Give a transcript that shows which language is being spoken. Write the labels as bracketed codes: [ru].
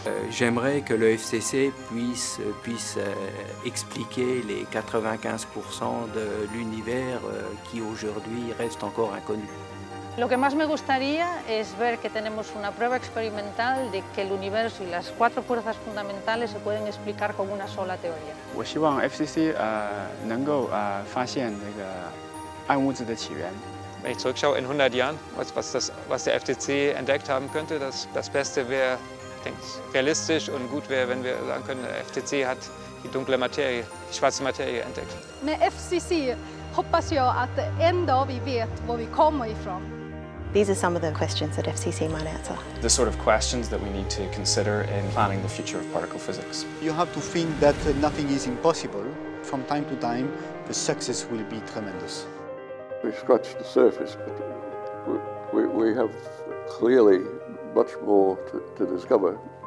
[fr] J'aimerais que le FCC puisse expliquer les 95% de l'univers qui aujourd'hui reste encore inconnu. [es] Lo que más me gustaría es ver que tenemos una prueba experimental de que el universo y las cuatro fuerzas fundamentales se pueden explicar con una sola teoría. [zh] 我希望 FCC 能够发现那个 暗物质的起源。 [de] Wenn ich zurückschaue in 100 Jahren, was der FCC entdeckt haben könnte, das Beste wäre, ich denke, realistisch und gut wäre, wenn wir sagen können, der FCC hat die dunkle Materie, die schwarze Materie entdeckt. Mit FCC hoffe ich, dass wir am Ende wissen, wo wir kommen. [en] These are some of the questions that FCC might answer. The sort of questions that we need to consider in planning the future of particle physics. You have to think that nothing is impossible. From time to time, the success will be tremendous. We've scratched the surface, but we have clearly much more to discover.